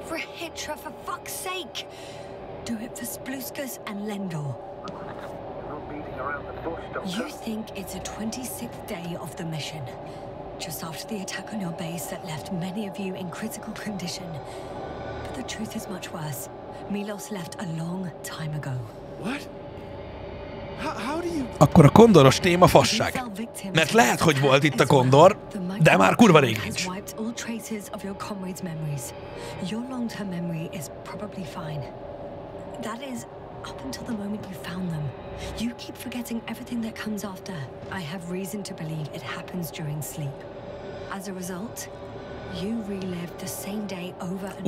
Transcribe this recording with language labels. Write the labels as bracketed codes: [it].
[en] Rahitra, for fuck's sake. Do it for Spluskas and Lendor. You're beating around the bush, Doctor. You think it's a 26th day of the mission. Just after the attack on your base that left many of you in critical condition. But the truth is much worse. Milos left a long time ago. What? How do you... [hu] Akkor a kondoros téma fasság. Mert lehet, hogy volt itt a kondor, de már kurva rég nincs. [en] Wiped all traces of your comrades' memories. Your long-term memory is probably fine. That is up until the moment you found them. You keep forgetting everything that comes after. I have reason to believe it happens during sleep. As a result, you relive the same day over and